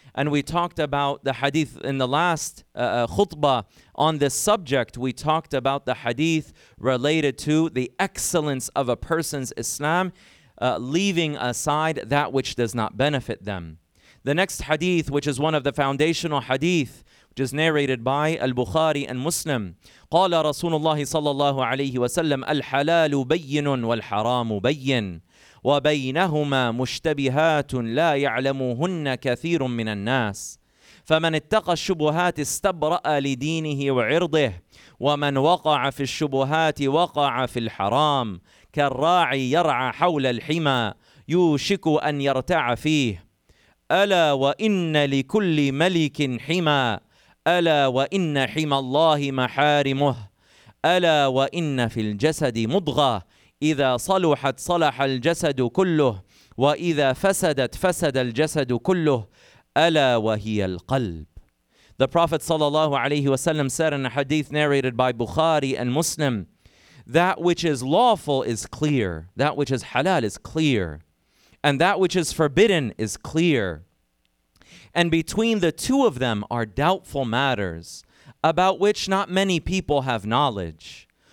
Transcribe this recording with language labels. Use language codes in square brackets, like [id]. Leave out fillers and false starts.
[en] And we talked about the hadith in the last khutbah on this subject. We talked about the hadith related to the excellence of a person's Islam, leaving aside that which does not benefit them. The next hadith, which is one of the foundational hadith, which is narrated by Al-Bukhari and Muslim. [ar] قال رسول الله صلى الله عليه وسلم الحلال بين والحرام بين وبينهما مشتبهات لا يعلمهن كثير من الناس فمن اتقى الشبهات استبرأ لدينه وعرضه ومن وقع في الشبهات وقع في الحرام كالراعي يرعى حول الحمى يوشك أن يرتع فيه ألا وإن لكل ملك حمى ألا وإن حمى الله محارمه ألا وإن في الجسد مضغة إذا صلحت صلح الجسد كله وإذا فسدت فسد الجسد كله ألا وهي القلب. [en] The Prophet sallallahu alayhi wa sallam said in a hadith narrated by Bukhari and Muslim, that which is lawful is clear, that which is halal is clear, and that which is forbidden is clear. And between the two of them are doubtful matters about which not many people have knowledge.